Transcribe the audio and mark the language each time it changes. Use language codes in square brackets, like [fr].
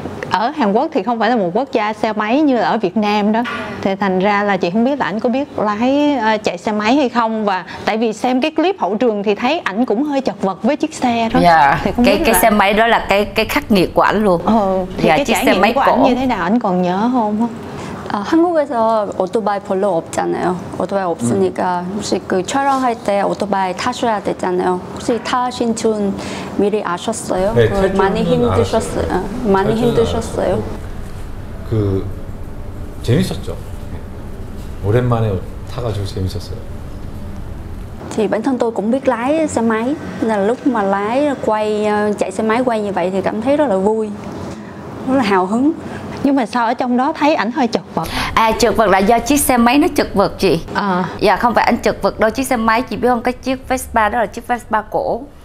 [vi] Ở Hàn Quốc thì không phải là một quốc gia xe máy như là ở Việt Nam đó. Thì thành ra là chị không biết là ảnh có biết lái chạy xe máy hay không. Và tại vì xem cái clip hậu trường thì thấy ảnh cũng hơi chật vật với chiếc xe đó. Yeah. Cái xe máy đó là cái khắc nghiệt của ảnh luôn. Thì cái chiếc trải nghiệm của ảnh như thế nào ảnh còn nhớ không? [ko] 아, 한국에서 오토바이 별로 없잖아요. 오토바이 없으니까 혹시 그 촬영할 때 오토바이 타셔야 되잖아요. 혹시 타신 줄 미리 아셨어요? 네, 그 많이 힘드셨어요. 알았어요. 많이 힘드셨어요. 그 재밌었죠. 오랜만에 타가지고 재밌었어요. [vi] Thì bản thân tôi cũng biết lái xe máy nên lúc mà lái quay chạy xe máy quay như vậy thì cảm thấy rất là vui, rất là hào hứng. Nhưng mà sao ở trong đó thấy ảnh hơi chật vật? À, chật vật là do chiếc xe máy nó chật vật chị. À. Dạ, không phải ảnh chật vật đâu. Chiếc xe máy, chị biết không, cái chiếc Vespa đó là chiếc Vespa cổ.